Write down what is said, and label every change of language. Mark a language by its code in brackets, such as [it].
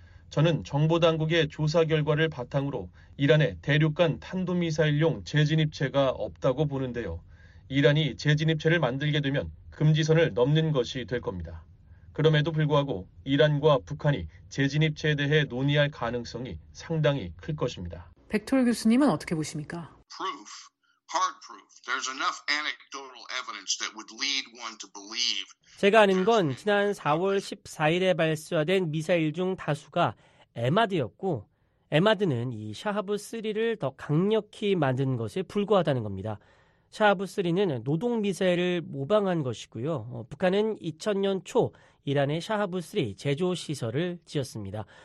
[ko] 저는 정보당국의 조사 결과를 바탕으로 이란에 대륙간 탄도미사일용 재진입체가 없다고 보는데요. 이란이 재진입체를 만들게 되면 금지선을 넘는 것이 될 겁니다. 그럼에도 불구하고 이란과 북한이 재진입체에 대해 논의할 가능성이 상당히 클 것입니다. 벡톨 교수님은 어떻게 보십니까? [en] Proof, hard proof. There's enough anecdotal evidence that would lead one to believe. [ko] 제가 아는 건 지난 4월 14일에 발사된 미사일 중 다수가 에마드였고 에마드는 이 샤하브3를 더 강력히 만든 것에 불과하다는 겁니다. 샤하브3는 노동미사일을 모방한 것이고요. 북한은 2000년 초 이란의 샤하브3 제조시설을 지었습니다.